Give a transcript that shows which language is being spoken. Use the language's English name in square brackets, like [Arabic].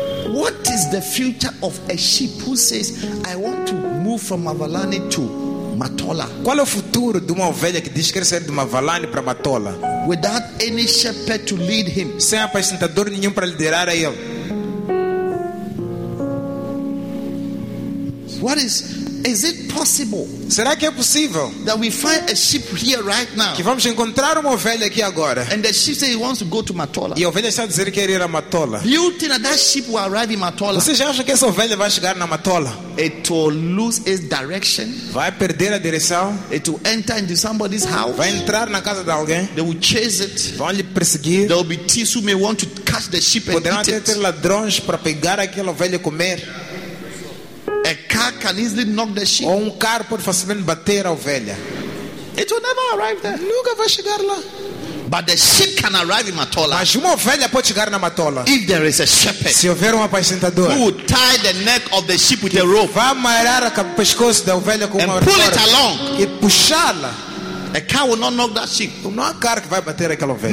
[English] What is the future of a sheep who says, I want to move from Mavalani to Matola? [Portuguese] Qual é o futuro de uma ovelha que diz quer sair de Mavalani para Matola? [English] Without any shepherd to lead him. [Portuguese] Sem apacentador nenhum para liderar a ele. [English] What is it possible? [Portuguese] Será que é possível? [English] That we find a sheep here right now. [Portuguese] Que vamos encontrar uma ovelha aqui agora. [English] And the sheep says he wants to go to Matola. [Portuguese] E a ovelha está a dizer que quer ir a Matola. [English] You think that sheep will arrive in Matola? [Portuguese] Você já acha que essa ovelha vai chegar na Matola? [English] It will lose its direction. [Portuguese] Vai perder a direção. [English] It will enter into somebody's house. [Portuguese] Vai entrar na casa de alguém. [English] They will chase it. [Portuguese] Vão lhe perseguir. [English] There will be thieves who may want to catch the sheep and [Portuguese] poderão [English] eat it. [Portuguese] Ter ladrões para pegar aquela ovelha e comer. [English] A car can easily knock the sheep. [Portuguese] Ou um carro pode facilmente bater a ovelha. [English] It will never arrive there. [Portuguese] Nunca vai chegar lá. [English] But the sheep can arrive in Matola. [Portuguese] Mas uma ovelha pode chegar na Matola. [English] If there is a shepherd, [Portuguese] se houver um apacentador, [English] who would tie the neck of the sheep with a rope, [Portuguese] vai amarrar o pescoço da ovelha com uma corda, [English] pull it along, [Portuguese] e puxá-la. [English] A car will not knock that sheep. [Portuguese] Não há carro que vai bater aquela ovelha.